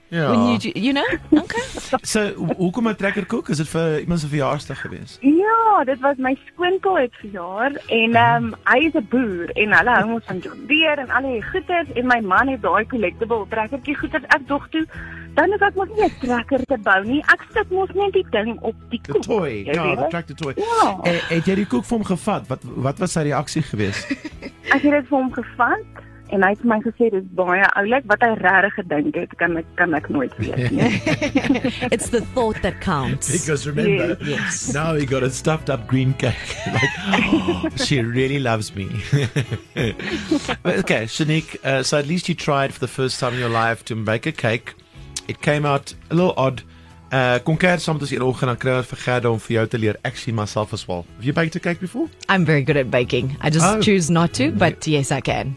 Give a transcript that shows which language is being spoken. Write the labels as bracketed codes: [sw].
[af] Ja. [en] When you know? Okay. [af] So, hoekom 'n trekkerkoek? Is dit vir iemand se verjaarsdag gewees? Ja, dit was my skoonkel het verjaar en hy is 'n boer en hulle hou ons van John Deere en al die goeders en my man het daai collectible trekkertjie goeders ek dog toe. Dan is ek mos nie 'n trekker te bou nie. Ek sit mos net die ding op die koek. [en] The toy. The tractor toy. [af] Ja. Het jy die koek vir hom gevat? Wat was sy reaksie gewees? Ek het dit vir hom gevat. En hy het my gesê, dit is baie oulik, wat hy regtig gedink het, kan ek nooit weet. [en] It's the thought that counts. Because remember, yes. Now he got a stuffed up green cake. Like, she really loves me. Okay, Shanique, so at least you tried for the first time in your life to bake a cake. It came out a little odd, [af] Kom kyk saam met ons hier oggend, dan kry ons vir Gerda om vir jou te leer. Ek sien myself as wel. [en] Have you baked a cake before? I'm very good at baking. I just choose not to, but yes, I can.